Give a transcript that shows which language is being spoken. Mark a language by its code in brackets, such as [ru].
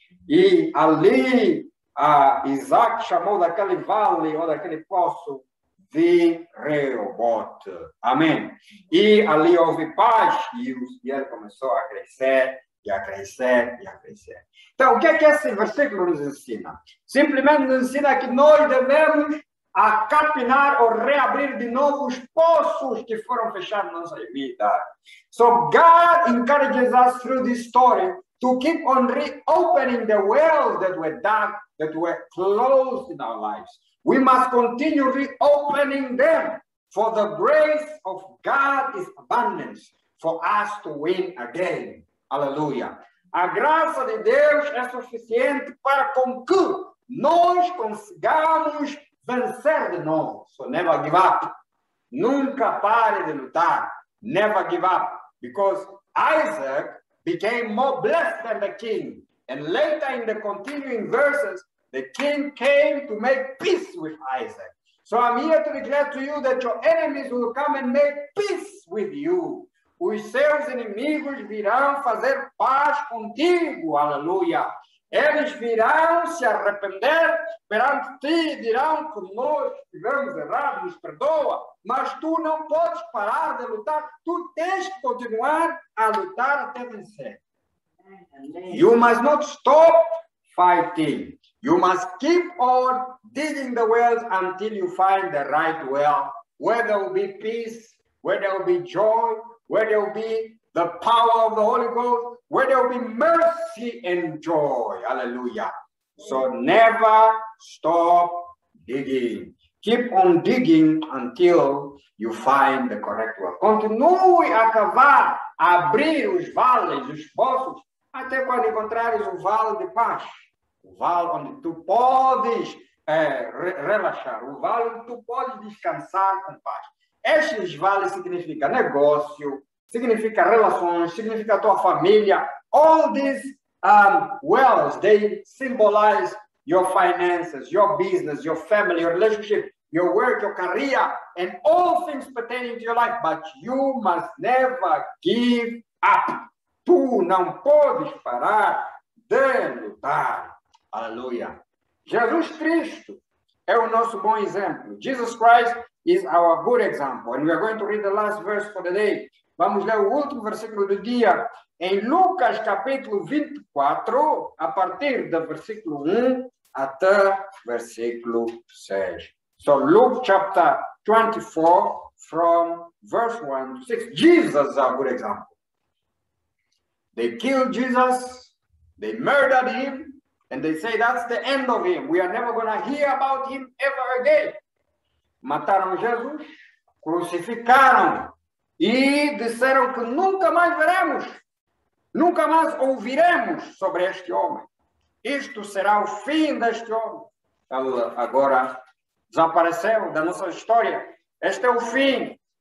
[pt] E ali, Isaac chamou daquele vale, ou daquele poço, de Reobote. Amém. E ali houve paz, e ele começou a crescer e a crescer e a crescer. Então, o que é que esse versículo nos ensina? Simplesmente nos ensina que nós devemos a capinar ou reabrir de novo os poços que foram fechados na nossa vida. [en] So God encourages us through this story to keep on reopening the wells that were dug, that were closed in our lives. We must continue reopening them, for the grace of God is abundance for us to win again. Aleluia. [pt] A graça de Deus é suficiente para com que nós consigamos vencer de novo. [en] So never give up. [pt] Nunca pare de lutar. [en] Never give up. Because Isaac became more blessed than the king. And later in the continuing verses, the king came to make peace with Isaac. So I'm here to declare to you that your enemies will come and make peace with you. [pt] Os seus inimigos virão fazer paz contigo. Aleluia. Eles virão se arrepender perante ti e dirão que nós tivemos errado, nos perdoa. Mas tu não podes parar de lutar. Tu tens que continuar a lutar até vencer. [en] You must not stop fighting. You must keep on digging the wells until you find the right well, where there will be peace, where there will be joy, where there will be the power of the Holy Ghost, where there will be mercy and joy. Hallelujah. So never stop digging. Keep on digging until you find the correct well. [pt] Continue a cavar, abrir os vales, os poços, até quando encontrares o vale de paz. O vale onde tu podes relaxar. O vale onde tu podes descansar com paz. Estes vales significa negócio, significa relações, significa tua família. [en] All these wells, they symbolize your finances, your business, your family, your relationship, your work, your career, and all things pertaining to your life. But you must never give up. [pt] Tu não podes parar de lutar. Aleluia. Jesus Cristo é o nosso bom exemplo. [en] Jesus Christ is our good example. And we are going to read the last verse for the day. [pt] Vamos ler o último versículo do dia em Lucas capítulo 24, a partir do versículo 1 até versículo 6. [en] So Luke chapter 24 from verse 1 to 6. Jesus is a good example. They killed Jesus, they murdered him, and they say that's the end of him. We are never going to hear about him ever again. [pt] Mataram Jesus, crucificaram e disseram que nunca mais veremos, nunca mais ouviremos sobre este homem. Isto será o fim deste homem. Ele agora desapareceu da nossa história. Este é o fim.